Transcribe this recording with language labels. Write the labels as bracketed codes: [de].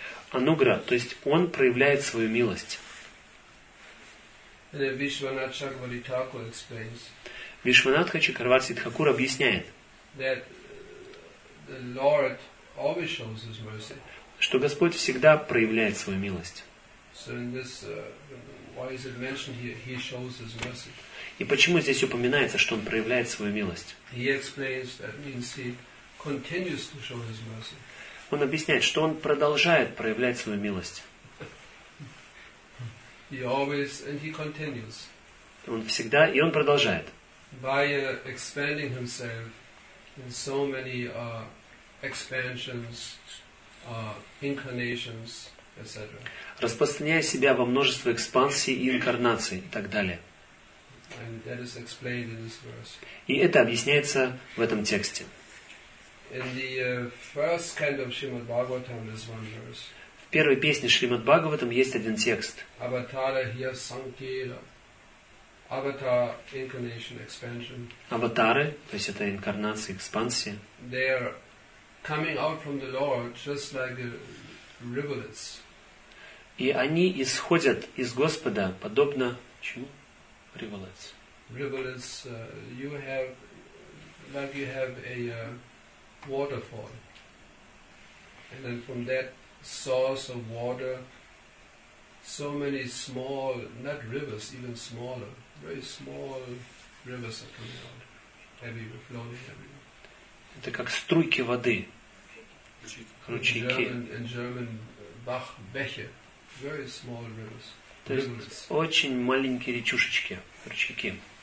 [ru] Анугра, то есть он проявляет свою милость. Вишванатха Чакарвати Тхакур объясняет, [en] that the Lord always shows his mercy. [ru] Что Господь всегда проявляет свою милость. [en] So in this, why is it mentioned here? He shows his mercy. [ru] И почему здесь упоминается, что он проявляет свою милость? [en] He explains that means he continues to show his mercy. [ru] Он объясняет, что он продолжает проявлять свою милость. [en] He always, and he continues. [ru] Он всегда и он продолжает. [en] By expanding himself in so many expansions, incarnations, etc. [ru] Распространяя себя во множество экспансий и инкарнаций и так далее. [en] And that is explained in this verse. [ru] И это объясняется в этом тексте. [en] In the first kind of Shrimad Bhagavatam, there's one verse. [ru] В первой песне Шримад Бхагаватам есть один текст. [en] Avatara here sankira. Avatar incarnation expansion. [ru] Аватары, то есть это инкарнация, экспансия. [en] They are coming out from the Lord just like rivulets. [ru] И они исходят из Господа подобно чему? [en] Rivulets. Rivulets, you have like you have a waterfall, and then from that source of water, so many small, not rivers, even smaller, very small rivers are coming out, heavy, flowing everywhere. [ru] Это как струйки воды, ручейки. [en] In German, Bach, Bäche, very small rivers. [ru] То есть очень маленькие речушечки, ручейки.